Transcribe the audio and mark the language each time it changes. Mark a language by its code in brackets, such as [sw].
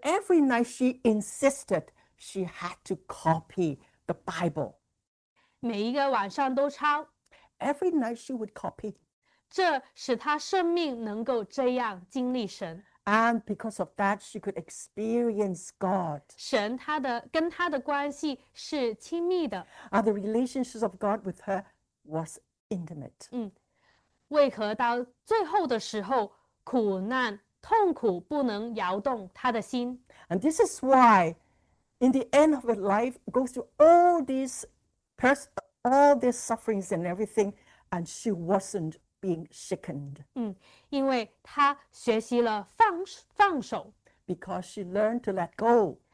[en] every night she insisted she had to copy the Bible. [zh] 每一个晚上都抄。 [en] Every night she would copy. [zh] 这使他生命能够这样经历神。 [en] And because of that, she could experience God. [zh] 神他的跟他的关系是亲密的。 [en] And the relationship of God with her was intimate. [zh] 为何到最后的时候，苦难、痛苦不能摇动他的心？ [en] And this is why, in the end of her life, goes through all these all these sufferings and everything, and she wasn't being shaken. [zh] 因为他学习了放手， [en] Because she learned to let go.